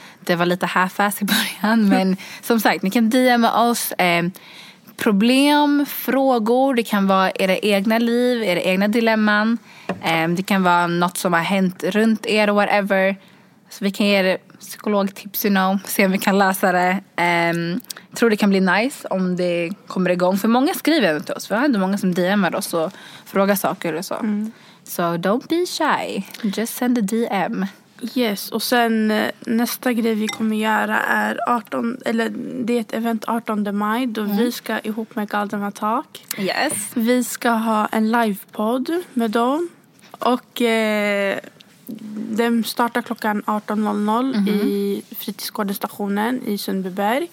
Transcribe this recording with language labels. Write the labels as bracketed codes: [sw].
[sv] Det var lite half-ass i början, men som sagt, ni kan DM oss problem, frågor, det kan vara era egna liv, era egna dilemman, det kan vara något som har hänt runt er, whatever. Så vi kan ge er psykologtips, [en] you know, [sv] se om vi kan lösa det. Jag tror det kan bli nice om det kommer igång, för många skriver ju till oss, vi har ändå många som DMar oss och frågar saker och så. Mm. Så [en] don't be shy, just send a DM. [sv] Yes, och sen nästa grej vi kommer göra är 18, eller det är ett event 18 maj då vi ska ihop med Galdema Talk. Yes. Vi ska ha en livepod med dem och den startar klockan 18.00 i fritidsgården stationen i Sundbyberg.